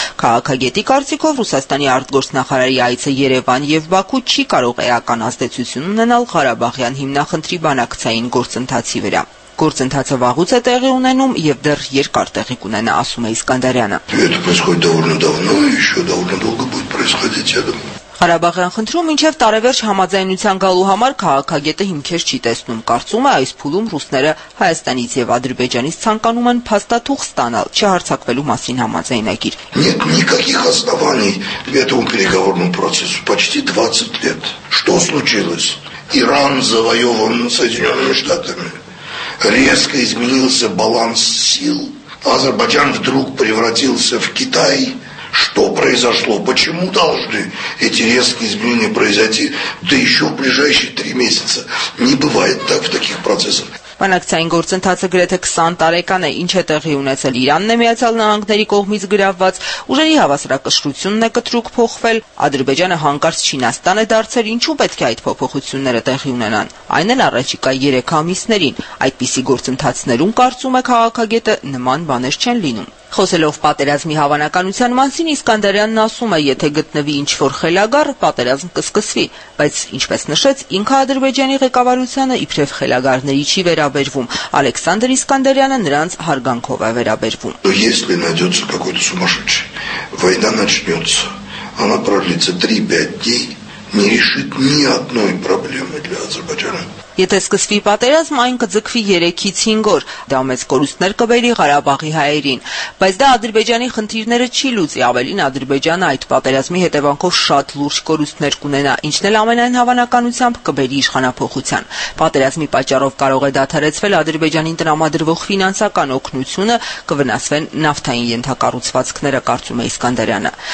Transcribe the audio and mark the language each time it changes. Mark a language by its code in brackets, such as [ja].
[hy] Քաղաքագետի կարծիքով Ռուսաստանի արտգործնախարարի այցը Երևան և Բաքու չի կարող էական ազդեցություն ունենալ Ղարաբաղյան հիմնախնդրի բանակցային գործընթացի վրա։ Գործընթացը վաղուց է տեղի ունենում և դեռ երկար տեղի կունենա, ասում է Իսկանդարյանը։ Ղարաբաղյան խնդրում մինչև տարեվերջ համաձայնության գալու համար քաղաքագետը հիմքեր չի տեսնում, կարծում է, այս փուլում ռուսները Հայաստանից և Ադրբեջանից ցանկանում են փաստաթուղ ստանալ, չհարցակվելու մասին համաձայնագիր։ [ru] Никаких оснований этому переговорному процессу почти 20 лет. Что случилось? Иран завоёван Соединёнными Штатами. Резко изменился баланс сил. Азербайджан вдруг превратился в Китай. Что произошло? Почему должны эти резкие изменения произойти? Да еще в ближайшие 3 месяца. Не бывает так в таких процессах. [hy] Բանակցային գործընթացը գրեթե 20 տարեկան է, ինչ է տեղի ունեցել Իրանն է Միացյալ Նահանգների կողմից գրաված, ուժերի հավասարակշռությունն է կտրուկ փոխվել, Ադրբեջանը հանկարծ Չինաստան է դարձել, ինչու պետք է այդ փոփոխությունները տեղի ունենան, այն էլ առաջիկա 3 ամիսներին, այդպիսի գործընթացներում կարծում է քաղաքագետը նման բաներ չեն լինում։ Խոսելով պատերազմի հավանականության մասին, Իսկանդարյանն ասում է, եթե գտնվի ինչ-որ խելագար, պատերազմ կսկսվի, բայց ինչպես նշեց, ինքը Ադրբեջանի ղեկավարությանը իբրև խելագարների չի վերաբերվում, Ալեքսանդր Իսկանդարյանը նրանց հարգանքով է վերաբերվում։ [ru] Она продлится 3-5 дней, не решит ни одной проблемы для Азербайджана. [hy] Եթե սկսվի պատերազմ, այն կձգվի 3-ից 5 օր, դա մեծ կորուստներ կբերի Ղարաբաղի հայերին, բայց դա Ադրբեջանի խնդիրները չի լուծի, ավելին Ադրբեջանը այդ պատերազմի հետևանքով շատ լուրջ կորուստներ կունենա, ինչն էլ ամենայն հավանականությամբ կբերի իշխանապողության։ Պատերազմի պատճառով կարող է դադարեցվել Ադրբեջանին տրամադրվող ֆինանսական օգնությունը, կվնասվեն նավթային ենթակառուցվածքները, կարծում է Իսկանդարյանը։